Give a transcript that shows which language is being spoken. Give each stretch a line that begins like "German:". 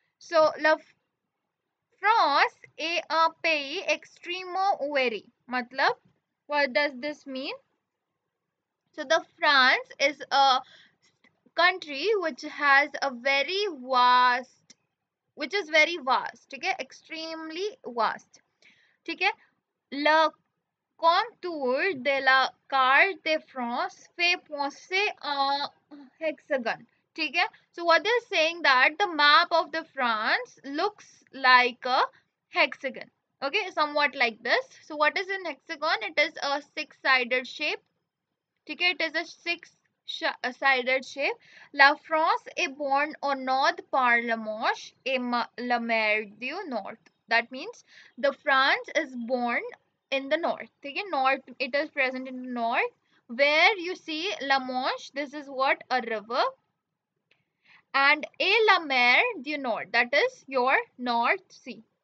French: So la France est un pays extrêmement ouvert.
English: Matlab, what does this mean? So, the France is a country which has a very vast, which is very vast, okay? Extremely vast, okay?
French: Le contour de la carte de France fait penser à un hexagon.
English: Okay? So, what they're saying that the map of the France looks like a hexagon, okay, somewhat like this. So what is an hexagon? It is a six-sided shape. Okay, it is a six-sided shape.
French: La France est bornée au nord par la Manche et la mer du Nord.
English: That means the France is born in the north. Okay, north, it is present in the north where you see la Manche. This is what a river. And
French: et la mer du Nord,
English: that is your North Sea.